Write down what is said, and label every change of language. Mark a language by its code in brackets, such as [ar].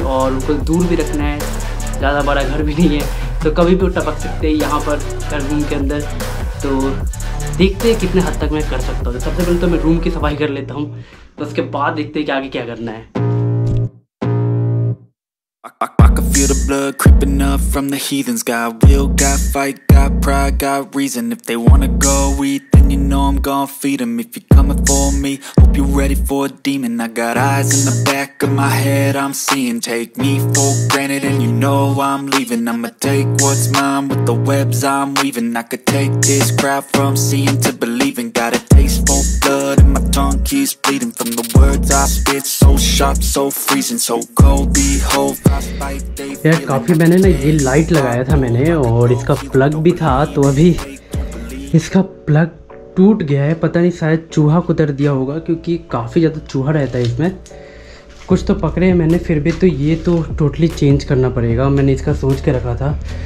[hi] और उनको दूर भी रखना है, ज़्यादा बड़ा घर भी नहीं है तो कभी भी टपक सकते हैं यहाँ पर रूम के अंदर। तो देखते हैं कितने हद तक मैं कर सकता हूँ। सबसे पहले तो मैं रूम की सफाई कर लेता हूँ, उसके बाद देखते हैं कि आगे क्या करना है। [en] Feel the blood creeping up from the heathens. Got will, got fight, got pride, got reason. If they wanna go eat, then you know I'm gonna feed them. If you're coming for me, hope you're ready for a demon. I got eyes in the back of my head, I'm seeing. Take me for granted and you know I'm leaving. I'ma take what's mine with the webs I'm weaving. I could take this crowd from seeing to believing. Got a taste for blood and my tongue keeps bleeding from the words I spit. So sharp, so freezing, so cold, behold, frostbite. [hi] यार काफ़ी मैंने ना ये light लगाया था मैंने, और इसका प्लग भी था, तो अभी इसका प्लग टूट गया है। पता नहीं शायद चूहा कुतर दिया होगा, क्योंकि काफ़ी ज़्यादा चूहा रहता है इसमें। कुछ तो पकड़े हैं मैंने फिर भी, तो ये तो टोटली चेंज करना पड़ेगा, मैंने इसका सोच के रखा था।